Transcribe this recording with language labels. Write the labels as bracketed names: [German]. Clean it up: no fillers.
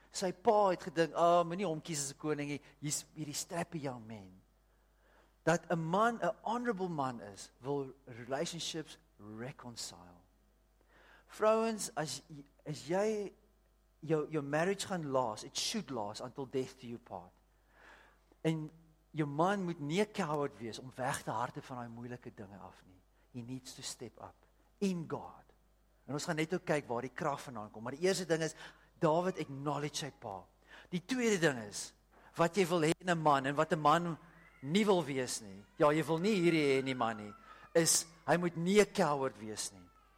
[Afrikaans] Sy pa het gedink, ah, moet nie hom kies as koning nie, hier's hierdie [English] strappy young man. [Afrikaans] Dat 'n man, 'n honorable man is, wil relationships reconcile. Vrouens, as jy [English] your marriage gaan last, it should last until death do you part. [Afrikaans] En jou man moet nie 'n coward wees om weg te harde van daai moeilike dinge af nie. [English] He needs to step up in God. [Afrikaans] En ons gaan net ook kyk waar die krag vandaan kom, maar die eerste ding is David acknowledge sy pa. Die tweede ding is wat jy wil hê in 'n man en wat 'n man nie wil wees nie. Ja, jy wil nie hierdie hê in 'n man nie, is hy moet nie 'n coward wees nie.